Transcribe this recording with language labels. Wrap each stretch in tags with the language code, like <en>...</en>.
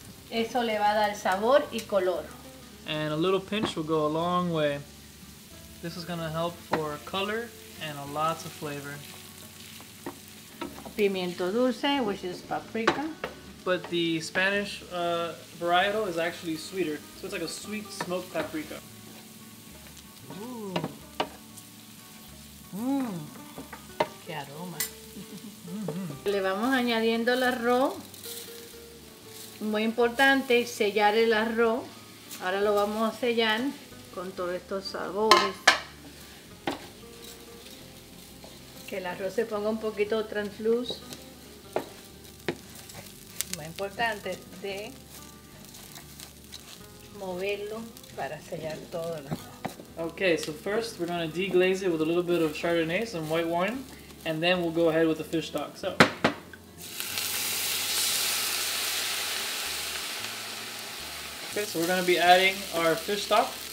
<es>Eso le va a dar sabor y color.</es> <en>And a little pinch will go a long way. This is going to help for color and a lots of flavor.</en> <es>Pimiento dulce,</es> <en>which is paprika. But the Spanish varietal is actually sweeter. So it's like a sweet smoked paprika. Ooh.</en> <es>Mmm. Qué aroma. Mm-hmm. Le vamos añadiendo el arroz. Muy importante sellar el arroz. Ahora lo vamos a sellar con todos estos sabores. Que el arroz se ponga un poquito translúz. Muy importante de moverlo para sellar todo el arroz.</es> <en>Okay, so first we're going to deglaze it with a little bit of Chardonnay, some white wine, and then we'll go ahead with the fish stock. So. Okay, so we're going to be adding our fish stock.</en>